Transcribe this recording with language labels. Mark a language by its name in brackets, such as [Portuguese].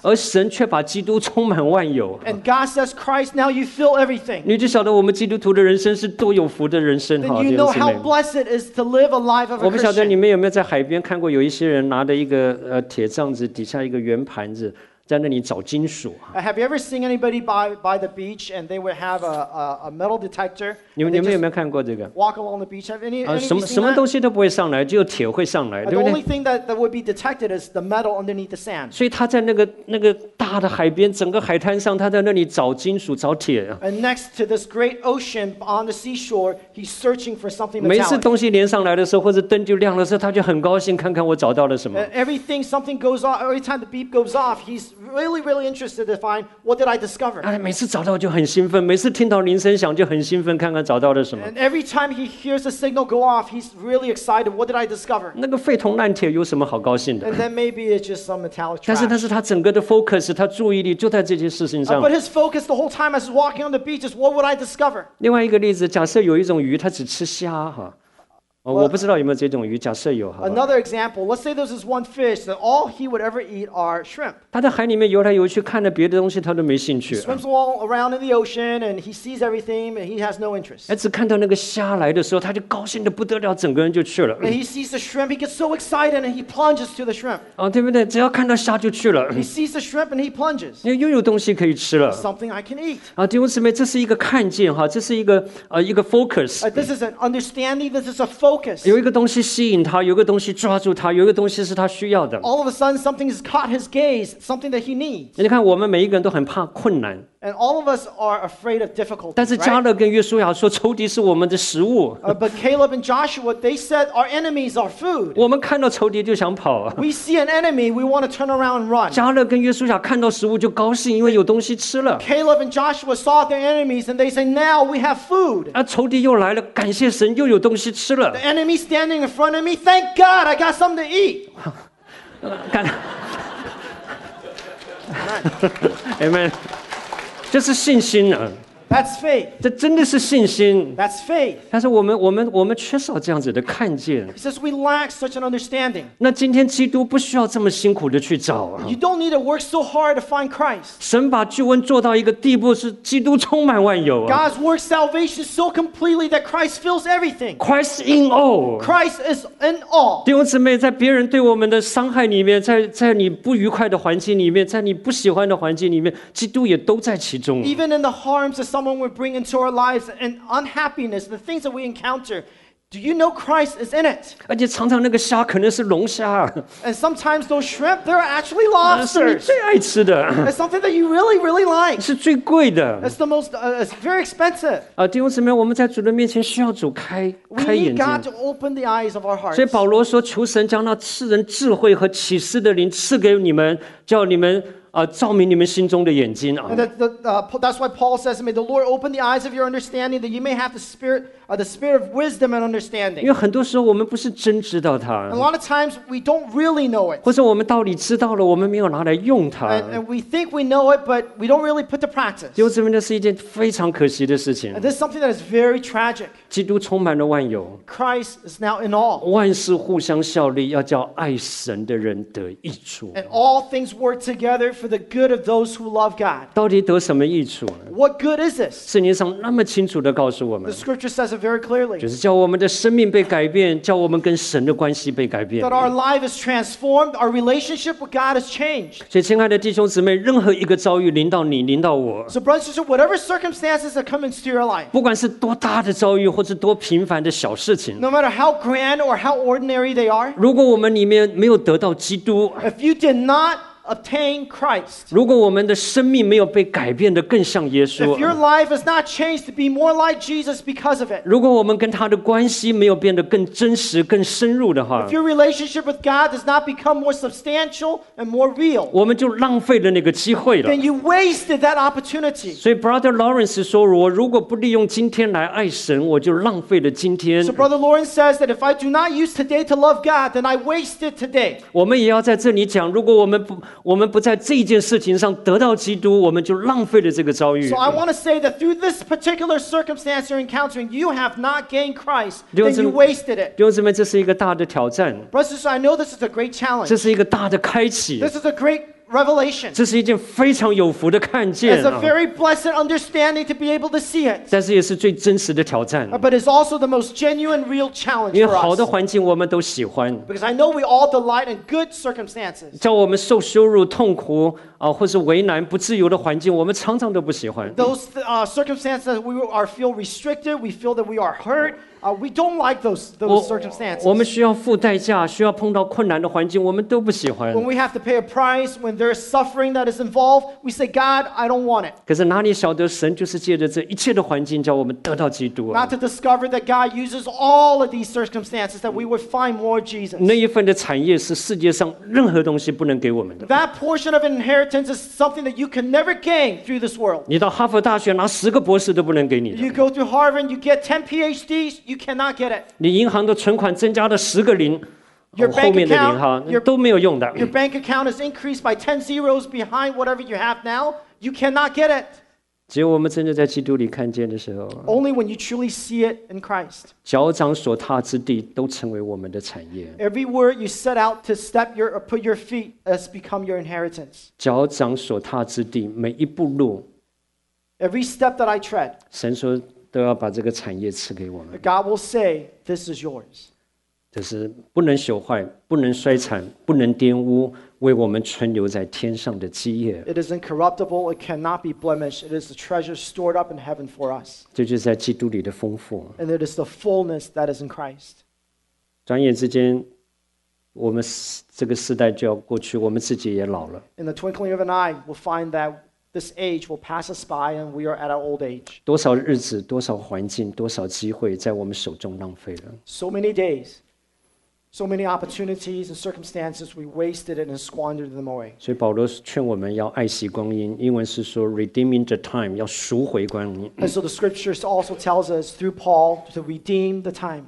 [Chinese] 而神却把基督充满万有。 [English] And God says, Christ, now you fill everything. [Chinese] 你就晓得我们基督徒的人生是多有福的人生。 [English] Then you know how blessed it is to live a life of a Christian. [Chinese] 我不晓得你们有没有在海边看过有一些人拿着一个铁杖子，底下一个圆盘子。在那里找金属。 [English] Have you ever seen anybody by the beach and they would have a metal detector? [Chinese] 你们有没有看过这个 [English] ？Walk along the beach, have any seen that? [Chinese] 什么东西都不会上来，只有铁会上来，对不对 [English] ？The only thing that would be detected is the metal underneath the sand. [Chinese] 所以他在那个大的海边，整个海滩上，他在那里找金属，找铁。 [English] And next to this great ocean on the seashore, he's searching for something metallic. [Chinese] 每次东西连上来的时候，或者灯就亮的时候，他就很高兴，看看我找到了什么。 [English] Everything something goes off, every time the beep goes off, he's really, really interested to find what did I discover. [Chinese] 哎，每次找到就很兴奋，每次听到铃声响就很兴奋，看看找到了什么。 [English] And every time he hears the signal go off, he's really excited. What did I discover? [Chinese] 那个废铜烂铁有什么好高兴的 [English] ？And then maybe it's just some metallic trash. [Chinese] 但是，他整个的 focus， 他注意力就在这件事情上。 [English] But his focus the whole time as he's walking on the beach is what would I discover? [Chinese] 另外一个例子，假设有一种鱼，它只吃虾哈。哦、我不知道有没有这种鱼假设有 [English] Another example, let's say there's this one fish that all he would ever eat are shrimp. [Chinese] 他在海里面游来游去看着别的东西他都没兴趣、啊、 [English] He swims all around in the ocean and he sees everything and he has no interest. [Chinese] 只看到那个虾来的时候他就高兴得不得了整个人就去了 [English] And he sees the shrimp, he gets so excited and he plunges to the shrimp.、 [Chinese] 哦、对不对只要看到虾就去了 [English] He sees the shrimp and he plunges. [Chinese] 又有东西可以吃了 [English] Something I can eat.、 [Chinese] 啊、弟兄姊妹这是一个看见哈这是一个、一个 focus.、 [English] This is an understanding, this is a focus. [Chinese] 有一个东西吸引他，有一个东西抓住他，有一个东西是他需要的。 [English] All of a sudden, something has caught his gaze, something that he needs. [Chinese] 你看，我们每一个人都很怕困难。 [English] And all of us are afraid of difficulty. [Chinese] 但是加勒跟约书亚说，仇敌是我们的食物。 [English] But Caleb and Joshua, they said our enemies are food. [Chinese] 我们看到仇敌就想跑。 [English] We see an enemy, we want to turn around and run. [Chinese] 加勒跟约书亚看到食物就高兴，因为有东西吃了。 [English] Caleb and Joshua saw their enemies, and they say, "Now we have food." [Chinese] 啊，仇敌又来了，感谢神，又有东西吃了。 [English] The enemy standing in front of me, thank God, I got something to eat. [Chinese] Amen. 这是信心啊。 [English] That's faith. [Chinese] 这真的是信心。 [English] That's faith. [Chinese] 但是我们缺少这样子的看见。 [English] He says we lack such an understanding. [Chinese] 那今天基督不需要这么辛苦的去找啊。 [English] You don't need to work so hard to find Christ. [Chinese] 神把救恩做到一个地步，是基督充满万有啊。 [English] God's work salvation so completely that Christ fills everything. Christ in all. Christ is in all. [Chinese] 弟兄姊妹，在别人对我们的伤害里面，在你不愉快的环境里面，在你不喜欢的环境里面，基督也都在其中。 [English] Even in the harms of someone we bring into our lives and unhappiness, the things that we encounter, do you know Christ is in it? [Chinese] 而且常常那个虾可能是龙虾。 [English] And sometimes those shrimp, they're actually lobsters. [Chinese] 是你最爱吃的。 [English] It's something that you really, really like. [Chinese] 是最贵的。 [English] It's the most, it's very expensive. [Chinese] 弟兄姊妹，我们在主的面前需要主开眼睛。 [English] We need God to open the eyes of our hearts. [Chinese] 所以保罗说，求神将那赐人智慧和启示的灵赐给你们，叫你们。照明你们心中的眼睛啊！ [English] That's why Paul says, "May the Lord open the eyes of your understanding, that you may have the spirit of wisdom and understanding." [Chinese] 因为很多时候我们不是真知道它。 [English] A lot of times we don't really know it. [Chinese] 或者我们道理知道了，我们没有拿来用它。 [English] And we think we know it, but we don't really put to practice. [Chinese] 因为这边的是一件非常可惜的事情。 [English] And this is something that is very tragic. [Chinese] 基督充满了万有。 [English] Christ is now in all. [Chinese] 万事互相效力，要叫爱神的人得益处。 [English] And all things work together. For the good of those who love God. [Chinese] 到底得什么益处？ [English] What good is this? [Chinese] 圣经上那么清楚地告诉我们。 [English] The scripture says it very clearly. [Chinese] 就是叫我们的生命被改变，叫我们跟神的关系被改变。 [English] That our life is transformed, our relationship with God has changed. [Chinese] 所以，亲爱的弟兄姊妹，任何一个遭遇临到你，临到我。 [English] So brothers and sisters, whatever circumstances that come into your life. [Chinese] 不管是多大的遭遇，或是多平凡的小事情。 [English] No matter how grand or how ordinary they are. [Chinese] 如果我们里面没有得到基督。 [English] If you did not obtain Christ. [Chinese] 如果我们的生命没有被改变得更像耶稣。 [English] If your life has not changed to be more like Jesus because of it. [Chinese] 如果我们跟他的关系没有变得更真实、更深入的话。 [English] If your relationship with God does not become more substantial and more real. [Chinese] 我们就浪费了那个机会了。 [English] Then you wasted that opportunity. [Chinese] 所以 Brother Lawrence 说，我如果不利用今天来爱神，我就浪费了今天。 [English] So Brother Lawrence says that if I do not use today to love God, then I wasted today. [Chinese] 我们也要在这里讲，如果我们不在这件事情上得到基督，我们就浪费了这个遭遇。 [English] So I want to say that through this particular circumstance you're encountering, you have not gained Christ, then you wasted it. [Chinese] 弟兄姊妹，这是一个大的挑战。 [English] Brothers, I know this is a great challenge. [Chinese] 这是一个大的开启。 [English] This is a great revelation. [Chinese] 这是一件非常有福的看见。 [English] It's a very blessed understanding to be able to see it. [Chinese] 但是也是最真实的挑战。 [English] But it's also the most genuine, real challenge for us. [Chinese] 因为好的环境我们都喜欢。 [English] Because I know we all delight in good circumstances. [Chinese] 叫我们受羞辱、痛苦。或是为难不自由的环境我们常常都不喜欢 [English] those circumstances we are feel restricted we feel that we are hurt we don't like those circumstances [Chinese] 我们需要付代价需要碰到困难的环境我们都不喜欢 [English] when we have to pay a price when there is suffering that is involved we say God I don't want it [Chinese] 可是哪里晓得神就是借着这一切的环境叫我们得到基督 [English] not to discover that God uses all of these circumstances that we would find more Jesus [Chinese] 那一份的产业是世界上任何东西不能给我们的 [English] that portion of inheritance inheritance is something that you can never gain through this world. [Chinese] 你到哈佛大学拿十个博士都不能给你的。 [English] You go to Harvard, you get 10 PhDs, you cannot get it. [Chinese] 你银行的存款增加了十个零。 [English] Your bank account is increased by 10 zeros behind whatever you have now. You cannot get it. [Chinese] 只有我们真的在基督里看见的时候。 [English] Only when you truly see it in Christ. [Chinese] 脚掌所踏之地都成为我们的产业。 [English] Everywhere you set out to step your or put your feet has become your inheritance. [Chinese] 脚掌所踏之地每一步路。 [English] Every step that I tread. [Chinese] 神说都要把这个产业赐给我们。 [English] God will say, "This is yours." [Chinese] 就是不能朽坏，不能衰残，不能玷污，为我们存留在天上的基业。 [English] It is incorruptible. It cannot be blemished. It is the treasure stored up in heaven for us. [Chinese] 这就是在基督里的丰富。 [English] And it is the fullness that is in Christ. [Chinese] 转眼之间，我们这个时代就要过去，我们自己也老了。 [English] In the twinkling of an eye, we'll find that this age will pass us by, and we are at our old age. [Chinese] 多少日子，多少环境，多少机会，在我们手中浪费了。 [English] So many days. So many opportunities and circumstances we wasted it and squandered them away. [Chinese] 所以保罗劝我们要爱惜光阴，英文是说 [English] redeeming the time, [Chinese] 要赎回光阴。 [English] And so the scriptures also tells us through Paul to redeem the time.